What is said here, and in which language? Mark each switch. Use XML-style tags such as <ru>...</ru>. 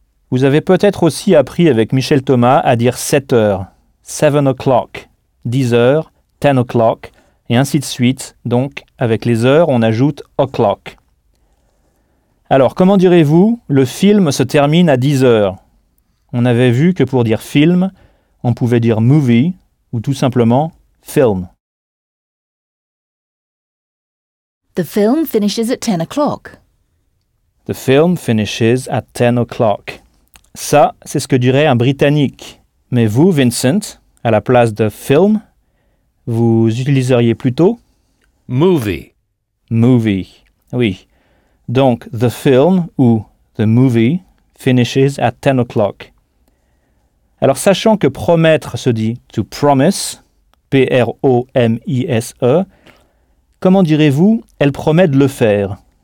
<fr>Vous avez peut-être aussi appris avec Michel Thomas à dire « 7 heures »,« 7 o'clock »,« 10 heures »,« 10 o'clock », et ainsi de suite. Donc, avec les heures, on ajoute « o'clock ». Alors, comment direz-vous « le film se termine à 10 heures » ? On avait vu que pour dire film, on pouvait dire movie ou tout simplement film.</fr> <en>The film finishes at 10 o'clock. The film finishes at 10 o'clock.</en> <fr>Ça, c'est ce que dirait un Britannique. Mais vous, Vincent, à la place de film, vous utiliseriez plutôt</fr> <en>movie. Movie. Oui. Donc, the film ou the movie finishes at 10 o'clock.</en> <fr>Alors, sachant que promettre se dit to promise, P-R-O-M-I-S-E, comment direz-vous elle promet de le faire?</fr>